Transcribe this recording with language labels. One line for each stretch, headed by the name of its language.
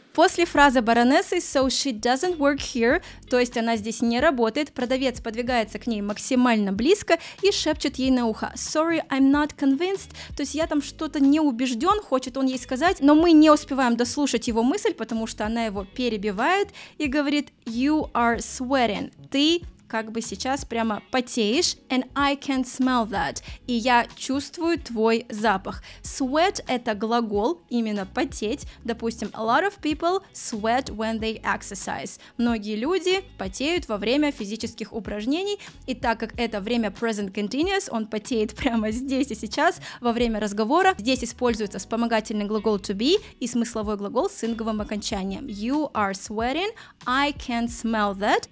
Russian: После фразы баронессы
English: «so she doesn't work here»,
Russian: то есть она здесь не работает, продавец подвигается к ней максимально близко и шепчет ей на ухо
English: «sorry, I'm not convinced»,
Russian: то есть я там что-то не убежден, хочет он ей сказать, но мы не успеваем дослушать его мысль, потому что она его перебивает и говорит
English: «you are sweating»,
Russian: ты как бы сейчас прямо потеешь,
English: and I can smell that,
Russian: и я чувствую твой запах. Sweat – это глагол, именно потеть. Допустим,
English: a lot of people sweat when they exercise.
Russian: Многие люди потеют во время физических упражнений, и так как это время present continuous, он потеет прямо здесь и сейчас, во время разговора, здесь используется вспомогательный глагол to be и смысловой глагол с инговым окончанием.
English: You are sweating, I can smell that.